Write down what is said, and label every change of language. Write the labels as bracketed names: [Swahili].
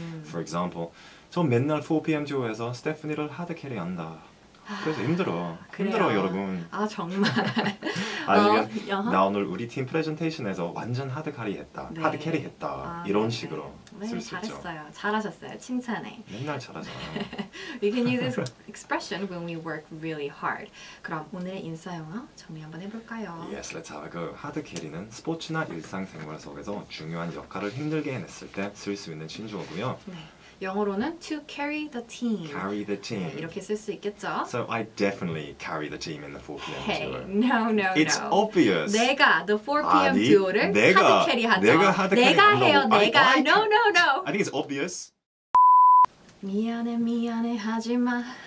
[English] For example, [Korean] 저 맨날 4PM 듀오에서 스테프니를 하드캐리한다. 그래서 힘들어. 힘들어, 여러분. 아, 정말. 아니면 나 오늘 우리 팀 프레젠테이션에서 완전 하드캐리했다. 네. 하드캐리했다. 아, 이런 식으로 쓸 수 있죠. 잘했어요. 잘하셨어요. 칭찬해. 맨날 잘하잖아. [English] We can use this expression when we work really hard. [Korean] 그럼 오늘의 인싸 영어 정리 한번 해볼까요? [English] Yes, let's have a go. [Korean] 하드캐리는 스포츠나 일상생활 속에서 중요한 역할을 힘들게 해냈을 때 쓸 수 있는 신조어고요. 네. 영어로는 [English] to carry the team. Carry the team. [Korean] 네, 이렇게 쓸 수 있겠죠? [English] So I definitely carry the team in the 4PM duo. Hey, no. It's obvious. [Korean] 내가 [English] the 4PM [Korean] 아니, duo를 내가, 하드 캐리하죠. 내가 하드 캐리. 내가 해요. 너, 내가. [English] No. I think it's obvious. [Korean] 미안해 하지 마.